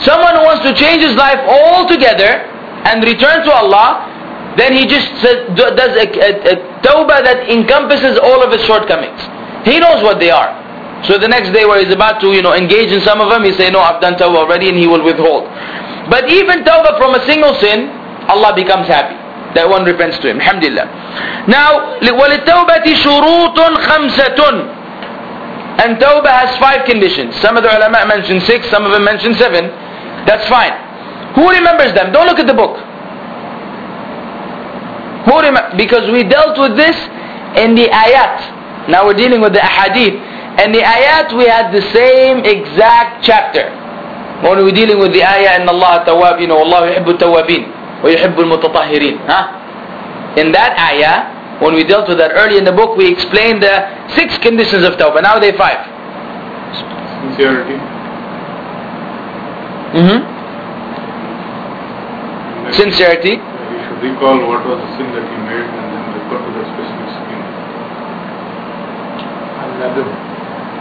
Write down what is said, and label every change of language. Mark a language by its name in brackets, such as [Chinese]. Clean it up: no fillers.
[English] Someone who wants to change his life altogether and return to Allah, then he just says, does a tawbah that encompasses all of his shortcomings. He knows what they are. So the next day where he's about to, you know, engage in some of them, he say, no, I've done tawbah already, and he will withhold. But even tawbah from a single sin, Allah becomes happy. That one repents to him. Alhamdulillah. [Arabic] Now, وَلِتَوْبَةِ شُرُوطٌ خَمْسَةٌ. [English] And tawbah has five conditions. Some of the ulama mentioned six, some of them mentioned seven. That's fine. Who remembers them? Don't look at the book. Because we dealt with this in the ayat. Now we're dealing with the ahadith. And the ayat, we had the same exact chapter. When we're dealing with the ayah, [Arabic] إِنَّ اللَّهَ تَوَّابِينَ وَاللَّهُ يُحِبُّ التَّوَّابِينَ وَيُحِبُّ الْمُتَطَهِّرِينَ. [English] In that ayah, when we dealt with that early in the book, we explained the six conditions of tawbah. Now they're five. Sincerity. Sincerity. You should recall what was the sin that you made and then refer to the specific sin.